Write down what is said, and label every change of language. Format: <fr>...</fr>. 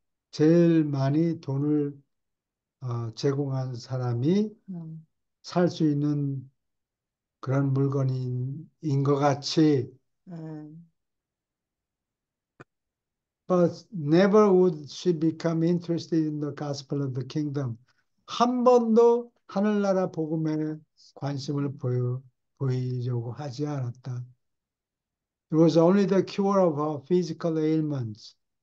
<ko>제일 많이 돈을 제공한 사람이 살수 있는 그런 물건인 것 같이.</ko> <en>But never would she become interested in the gospel of the kingdom.</en> <ko>한 번도 하늘나라 복음에 관심을 보이려고 하지 않았다.</ko> <en>It was only the cure of her physical ailments.</en>